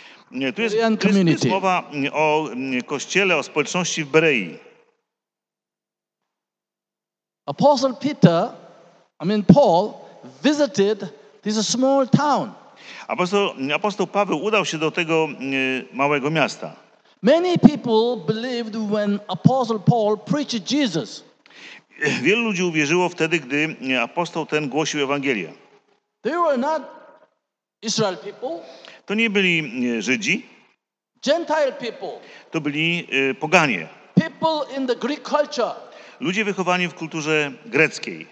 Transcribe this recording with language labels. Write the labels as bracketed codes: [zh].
[pl] Nie, tu jest mowa o kościele, o społeczności w Berei. [en] Apostle Peter, I mean Paul, visited this small town. [pl] Apostoł Paweł udał się do tego małego miasta. [en] Many people believed when Apostle Paul preached Jesus. [pl] Wielu ludzi uwierzyło wtedy, gdy apostoł ten głosił Ewangelię. [en] They were not Israel people. [pl] To nie byli Żydzi. [en] Gentile people. [pl] To byli poganie. [en] People in the Greek culture. [pl] Ludzie wychowani w kulturze greckiej.